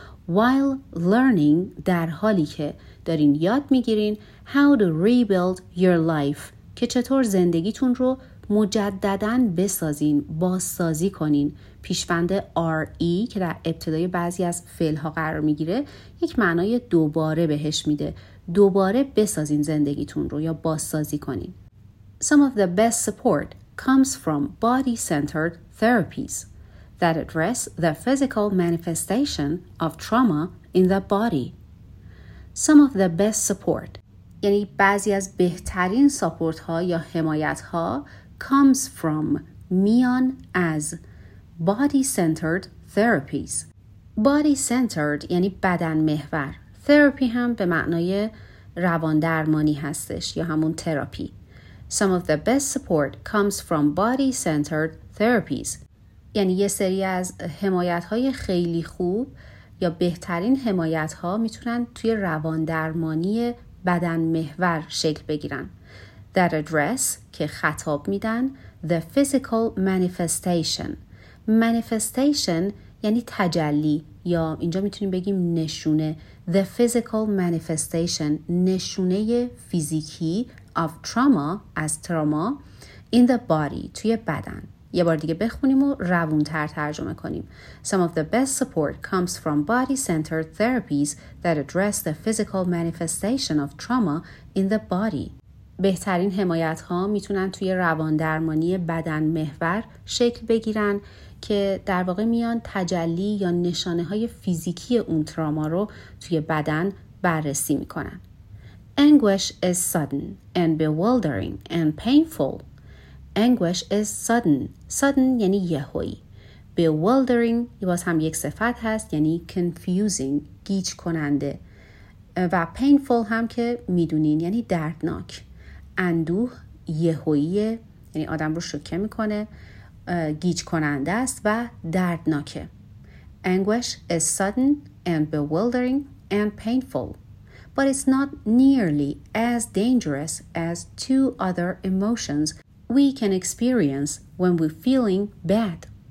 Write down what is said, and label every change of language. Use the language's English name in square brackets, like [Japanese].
[English] While learning [Persian] در حالی که دارین یاد میگیرین [English] how to rebuild your life [Persian] که چطور زندگیتون رو مجدداً بسازین، بازسازی کنین. پیشوند RE که در ابتدای بعضی از فعل‌ها قرار میگیره یک معنای دوباره بهش میده. دوباره بسازین زندگیتون رو یا بازسازی کنین. [English] Some of the best support comes from body-centered therapies that address the physical manifestation of trauma in the body. Some of the best support [Persian] یعنی بعضی از بهترین ساپورت ها یا حمایت ها [English] comes from [Persian] میان از [English] body centered therapies. [Persian] Body centered یعنی بدن محور. Therapy هم به معنای روان درمانی هستش یا همون تراپی. [English] Some of the best support comes from body centered therapies. [Persian] یعنی یه سری از حمایت های خیلی خوب یا بهترین حمایت ها میتونن توی روان درمانی بدن محور شکل بگیرن. [English] That address [Persian] که خطاب میدن [English] the physical manifestation. [Persian] Manifestation یعنی تجلی یا اینجا میتونیم بگیم نشونه. [English] The physical manifestation [Persian] نشونه فیزیکی [English] of trauma [Persian] از تروما [English] in the body [Persian] توی بدن. یه بار دیگه بخونیم و روونتر ترجمه کنیم. [English] Some of the best support comes from body-centered therapies that address the physical manifestation of trauma in the body. [Persian] بهترین حمایت ها میتونن توی روان درمانی بدن محور شکل بگیرن که در واقع میان تجلی یا نشانه های فیزیکی اون تراما رو توی بدن بررسی میکنن. [English] Anguish is sudden and bewildering and painful. Anguish is sudden. Sudden [Persian] یعنی یهویی. Bewildering باز هم یک صفت هست یعنی confusing، گیج کننده. و painful هم که میدونین یعنی دردناک. اندوه یهوییه یعنی آدم رو شوکه میکنه، گیج کننده است و دردناکه. [English] Anguish is sudden and bewildering and painful. But it's not nearly as dangerous as two other emotions we can experience when we're feeling bad.